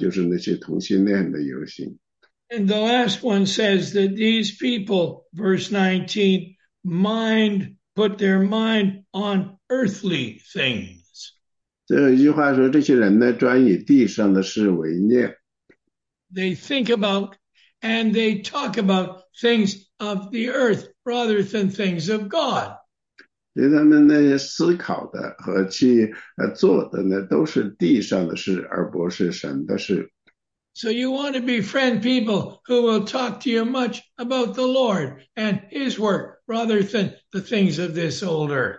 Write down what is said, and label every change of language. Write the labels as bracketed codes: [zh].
[zh] 其实这个里面呢，还有一群人呢，他们对这个就是说是道德败坏呢，他们引以为荣。就是说，我们当今呢，有一群人呢，他们把自己的罪呢，他们做了一个骄傲。他们说呢，他们做一个骄傲的游行，基本上就是那些同性恋的游行。 [en] And the last one says that these people, verse 19, put their mind on earthly things. [zh] 这有一句话说，这些人呢，专以地上的事为念。 [en] They think about and they talk about things of the earth rather than things of God. [zh] 所以他们那些思考的和去做的呢，都是地上的事，而不是神的事。 [en] So you want to befriend people who will talk to you much about the Lord and his work rather than the things of this old